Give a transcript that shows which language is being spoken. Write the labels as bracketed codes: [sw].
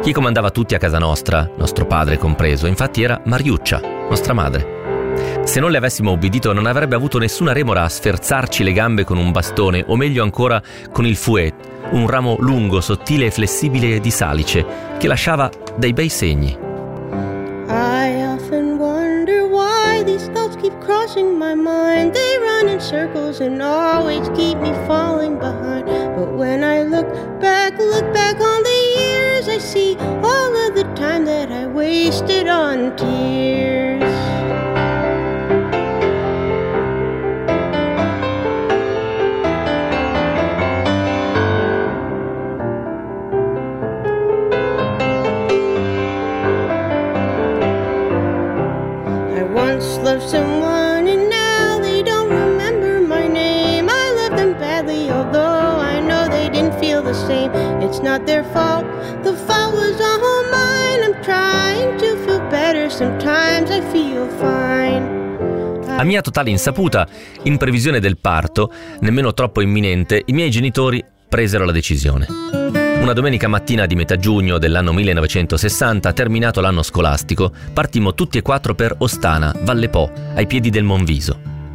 [it] Chi comandava tutti a casa nostra, nostro padre compreso, infatti era Mariuccia, nostra madre. Se non le avessimo obbedito non avrebbe avuto nessuna remora a sferzarci le gambe con un bastone, o meglio ancora con il fouet, un ramo lungo, sottile e flessibile di salice, che lasciava dei bei segni. [en] I often wonder why these thoughts keep crossing my mind. They run in circles and always keep me falling behind. But when I look back on the years, I see all of the time that I wasted on tears. I once loved someone and now they don't remember my name. I love them badly, although I know they didn't feel the same. It's not their fault, the fault was all mine. I'm trying to feel better, sometimes I feel fine. [it] A mia totale insaputa, in previsione del parto, nemmeno troppo imminente, i miei genitori presero la decisione. Una domenica mattina di metà giugno dell'anno 1960, terminato l'anno scolastico, partimmo tutti e quattro per Ostana, Valle Po, ai piedi del Monviso.